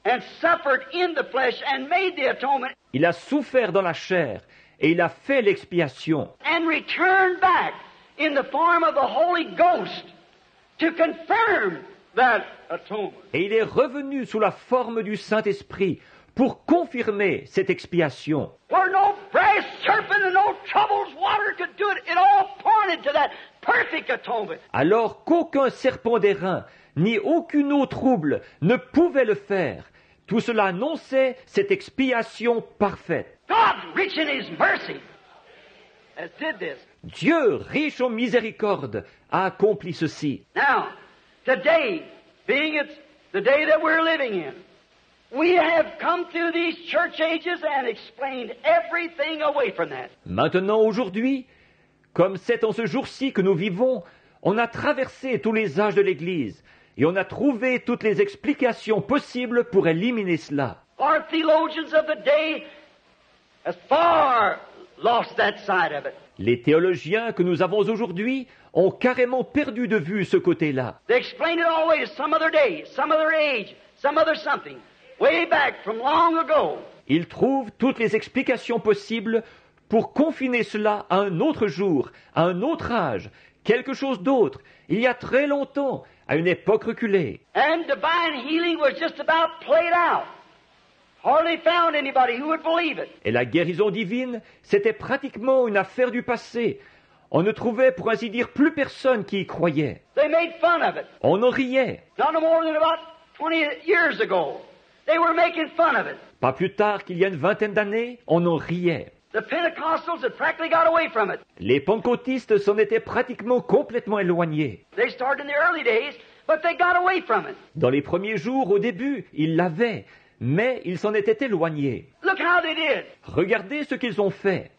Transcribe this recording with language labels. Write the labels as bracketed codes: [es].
[en] And suffered in the flesh and made the atonement. [fr] Il a souffert dans la chair et il a fait l'expiation. [en] And returned back in the form of the Holy Ghost. To confirm that atonement. [fr] Et il est revenu sous la forme du Saint-Esprit pour confirmer cette expiation. [en] Where no brass serpent and no troubled water could do it, it all pointed to that perfect atonement. [fr] Alors qu'aucun serpent d'airain ni aucune eau trouble ne pouvait le faire, tout cela annonçait cette expiation parfaite. [en] God, rich in his mercy, has did this. [fr] Dieu, riche en miséricorde, a accompli ceci. [en] Now, today, being it's the day that we're living in, we have come through these church ages and explained everything away from that. [fr] Maintenant, aujourd'hui, comme c'est en ce jour-ci que nous vivons, on a traversé tous les âges de l'Église et on a trouvé toutes les explications possibles pour éliminer cela. [en] Our theologians of the day have far lost that side of it. [fr] Les théologiens que nous avons aujourd'hui ont carrément perdu de vue ce côté-là. [en] They explained it always some other day, some other age, some other something, way back from long ago. [fr] Ils trouvent toutes les explications possibles pour confiner cela à un autre jour, à un autre âge, quelque chose d'autre, il y a très longtemps, à une époque reculée. [en] And divine healing was just about played out. Hardly found anybody who would believe it. [fr] Et la guérison divine, c'était pratiquement une affaire du passé. On ne trouvait, pour ainsi dire, plus personne qui y croyait. [en] They made fun of it. [fr] On en riait. [en] Not more than about 20 years ago, they were making fun of it. [fr] Pas plus tard qu'il y a une vingtaine d'années, on en riait. [en] The Pentecostals had practically got away from it. [fr] Les pentecôtistes s'en étaient pratiquement complètement éloignés. [en] They started in the early days, but they got away from it. [fr] Dans les premiers jours, au début, ils l'avaient. mais ils s'en étaient éloignés. [en] Look how they did. [fr] Regardez ce qu'ils ont fait.